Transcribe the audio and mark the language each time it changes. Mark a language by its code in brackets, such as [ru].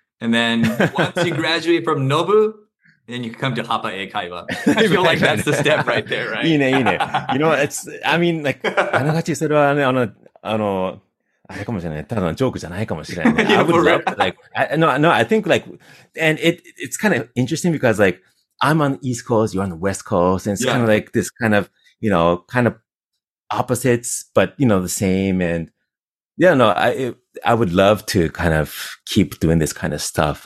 [en] And then, once you graduate from Nobu, then you come to Hapa Eikaiwa. I feel like that's the step right there, right? [ja] いいね、いいね。 [en] You know, it's, I mean, like, [ja] あながちそれはね、あれかもしれない。ただのジョークじゃないかもしれない。 [en] yeah, I would love, like, no, I think like, and it's kind of interesting because like, I'm on the East Coast, you're on the West Coast, and it's kind of like this kind of, you know, kind of opposites, but you know, the same. And yeah, no, I would love to kind of keep doing this kind of stuff.